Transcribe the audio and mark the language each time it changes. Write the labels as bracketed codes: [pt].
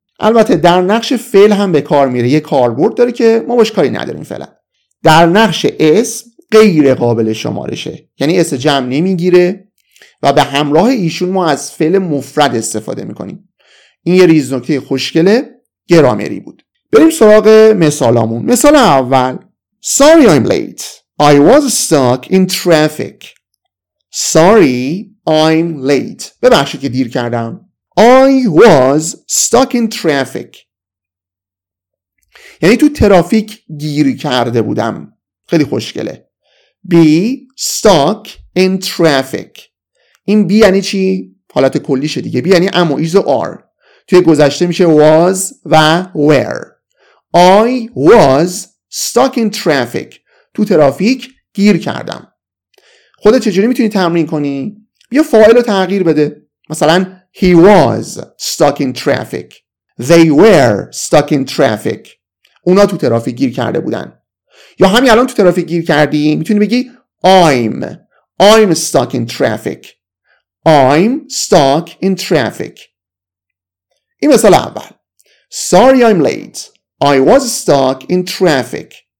[fa] البته در نقش فعل هم به کار میره، یه کاربرد داره که ما باش کاری نداریم فعلا. در نقش اسم غیر قابل شمارشه، یعنی اس جمع نمیگیره و به همراه ایشون ما از فعل مفرد استفاده میکنیم. این یه ریز نکته خوشگل گرامری بود. بریم سراغ مثالامون. مثال اول: [en] Sorry I'm late. I was stuck in traffic. Sorry I'm late. [fa] ببخشید که دیر کردم. [en] I was stuck in traffic. [fa] یعنی تو ترافیک گیر کرده بودم. خیلی خوشگله. [en] Be stuck in traffic. [fa] این be یعنی چی؟ حالت کلیشه دیگه. be یعنی am و is و are. توی گذشته میشه was و were. [en] I was stuck in traffic. [fa] تو ترافیک گیر کردم. خودت چجوری میتونی تمرین کنی؟ بیا فاعل رو تغییر بده. مثلا [en] he was stuck in traffic. They were stuck in traffic. [fa] اونا تو ترافیک گیر کرده بودن. یا همین الان تو ترافیک گیر کردی، میتونی بگی [en] I'm stuck in traffic. I'm stuck in traffic. [fa] این مثال اول. [en] Sorry I'm late. I was stuck in traffic.